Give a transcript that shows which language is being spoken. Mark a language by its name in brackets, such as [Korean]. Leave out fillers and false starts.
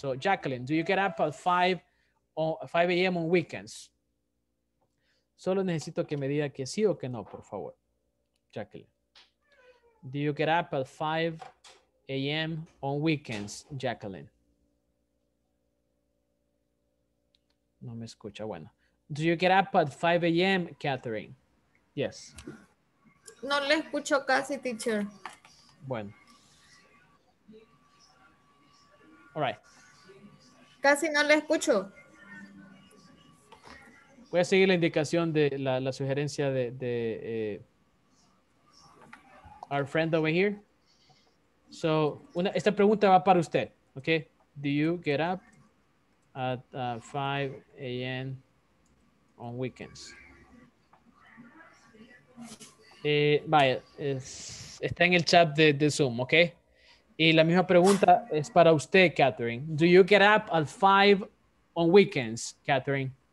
[English] So, Jacqueline, do you get up at 5 a.m. on weekends? [Spanish] Solo necesito que me diga que sí o que no, por favor, Jacqueline. [English] Do you get up at 5 a.m. on weekends, Jacqueline? [Spanish] No me escucha. Bueno. [English] Do you get up at 5 a.m., Catherine? Yes. [Spanish] No le escucho casi, teacher. Bueno. [English] All right. [Spanish] Casi no le escucho. Voy a seguir la indicación de la, la sugerencia de, de [English] our friend over here. So, [Spanish] una, esta pregunta va para usted. [English] Okay. Do you get up at 5 a.m. on weekends? [Spanish] Vaya, está en el chat de Zoom, ok. Y la misma pregunta es para usted, Catherine. [English] Do you get up at 5 on weekends, Catherine?